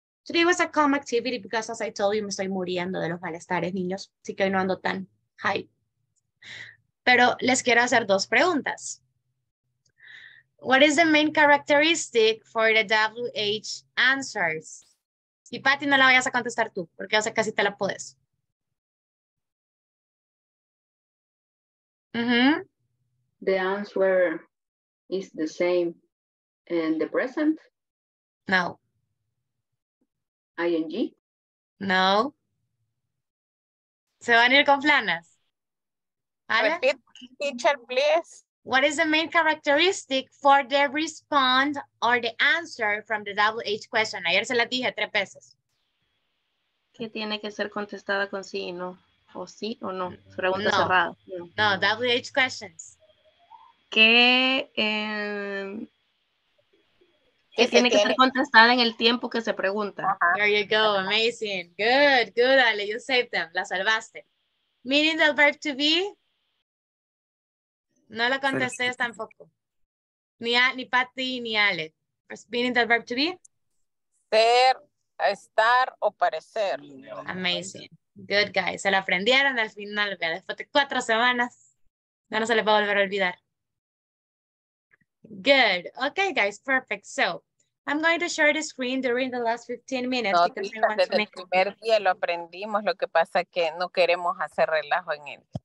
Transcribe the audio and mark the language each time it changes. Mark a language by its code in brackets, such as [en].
[en] Today was a calm activity because, as I told you, [es] me estoy muriendo de los malestares, niños. Así que hoy no ando tan high. Pero les quiero hacer dos preguntas. [en] What is the main characteristic for the WH answers? [es] Y Patty, no la vayas a contestar tú, porque yo sé que así te la puedes. Mm-hmm. [en] The answer is the same in the present? No. ING? [es] No. ¿Se van a ir con flanas? [en] Repeat, teacher, please. What is the main characteristic for the respond or the answer from the WH question? [es] Ayer se la dije tres veces. ¿Qué tiene que ser contestada con sí y no? ¿O sí o no? Pregunta no. Cerrada. No, no, WH questions. ¿Qué, ¿qué tiene que ser contestada en el tiempo que se pregunta? [en] Uh-huh. There you go, amazing. Good, good, Ale, you saved them. [es] La salvaste. [en] Meaning the verb to be. [es] No la contesté tampoco. Ni Patty ni Ale. [en] Meaning the verb to be? [es] Ser, estar o parecer. [en] Amazing. Good, guys. [es] Se lo aprendieron al final. Después de cuatro semanas, ya no se les va a volver a olvidar. [en] Good. Okay, guys. Perfect. So, I'm going to share the screen during the last 15 minutes. No, because tita, I want desde to make el primer día lo aprendimos. [es] Lo que pasa es que no queremos hacer relajo en él.